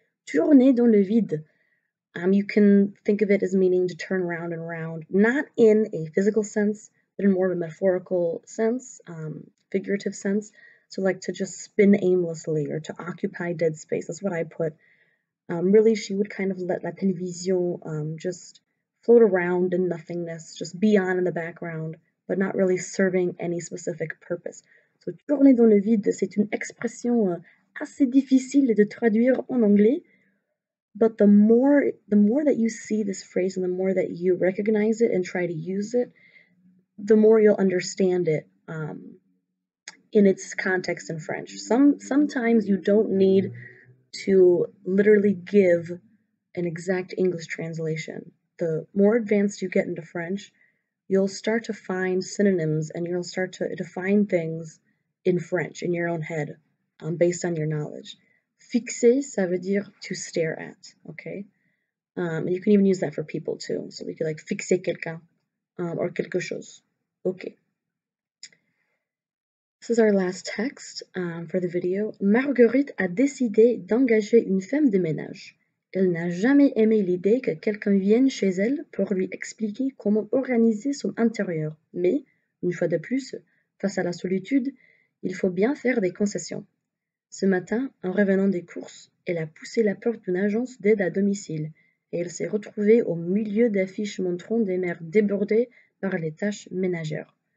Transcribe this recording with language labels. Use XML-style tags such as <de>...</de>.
<fr>Tourner dans le vide.</fr> <en>You can think of it as meaning to turn around and around, not in a physical sense, but in more of a metaphorical sense, figurative sense. To like to just spin aimlessly or to occupy dead space. That's what I put. Really, she would kind of let</en> <fr>la télévision</fr> <en>just float around in nothingness, just be on in the background, but not really serving any specific purpose.</en> <fr>So, tourner dans le vide, c'est une expression assez difficile de traduire en anglais.</fr> <en>But the more that you see this phrase and the more that you recognize it and try to use it, the more you'll understand it in its context in French. Sometimes you don't need to literally give an exact English translation. The more advanced you get into French, you'll start to find synonyms and you'll start to define things in French in your own head based on your knowledge.</en> <fr>Fixer, ça veut dire</fr> <en>to stare at, okay? You can even use that for people too. So we could like</en> <fr>fixer quelqu'un</fr> <en>or</en> <fr>quelque chose.</fr> <en>Okay. This is our last text for the video.</en> <fr>Marguerite a décidé d'engager une femme de ménage. Elle n'a jamais aimé l'idée que quelqu'un vienne chez elle pour lui expliquer comment organiser son intérieur. Mais, une fois de plus, face à la solitude, il faut bien faire des concessions. Ce matin, en revenant des courses, elle a poussé la porte d'une agence d'aide à domicile et elle s'est retrouvée au milieu d'affiches montrant des mères débordées par les tâches ménagères.</fr>